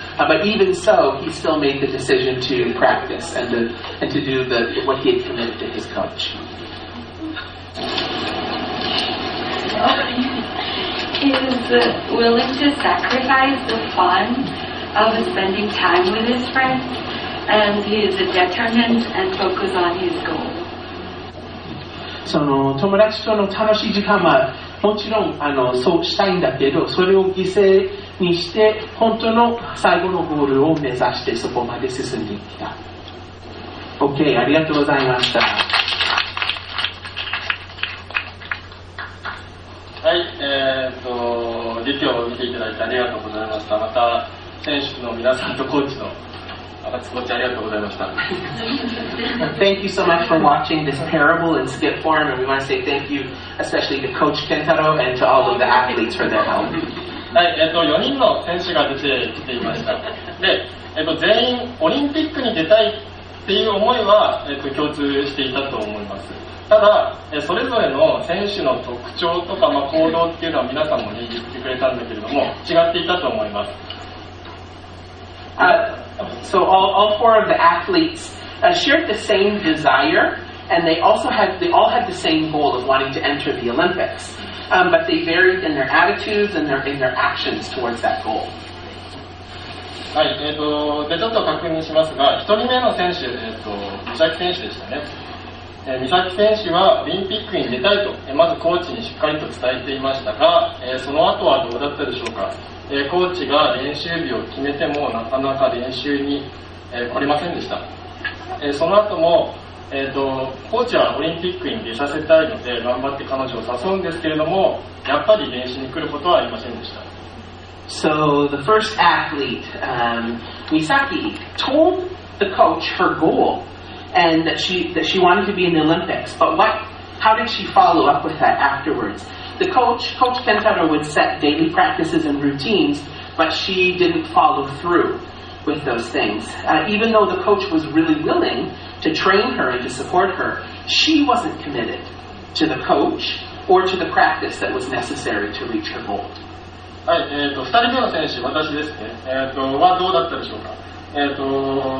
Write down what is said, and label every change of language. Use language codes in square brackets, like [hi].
[en] But even so, he still made the decision to practice and to do the what he had committed to his coach. He is willing to sacrifice the fun of spending time with his friends, and he is determined and focused on his goal. [ja] その友達との楽しい時間はもちろんあのそうしたいんだけどそれを犠牲にして本当の最後のゴールを目指してそこまで進んできた OK ありがとうございましたはい、リピを見ていただいてありがとうございましたまた選手の皆さんとコーチの [en] Thank you so much for watching this parable in skip form, and we want to say thank you, especially to Coach Kentaro and to all of the athletes for their help. [ja] はい、4人の選手が出てきていました。で、全員オリンピックに出たいっていう思いは、共通していたと思います。ただ、それぞれの選手の特徴とか、まあ、行動っていうのは皆さんも言ってくれたんだけれども、違っていたと思います。 [en] So all four of the athletes shared the same desire, and they all had the same goal of wanting to enter the Olympics. But they varied in their attitudes and in their actions towards that goal. [ja] はい、でちょっと確認しますが、一人目の選手、三崎選手でしたね。三崎選手はオリンピックに出たいと、まずコーチにしっかりと伝えていましたが、その後はどうだったでしょうか。コーチが練習日を決めてもなかなか練習に来れませんでした。その後も、コーチはオリンピックに出させたいので頑張って彼女を誘うんですけれども、やっぱり練習に来ることはありませんでした。 [en] So the first athlete, Misaki, told the coach her goal and that she wanted to be in the Olympics. But how did she follow up with that afterwards? The coach Kentaro would set daily practices and routines, but she didn't follow through with those things. Even though the coach was really willing to train her and to support her, she wasn't committed to the coach or to the practice that was necessary to reach her goal. [ja] はい、2人目の選手、私ですね。はどうだったでしょうか。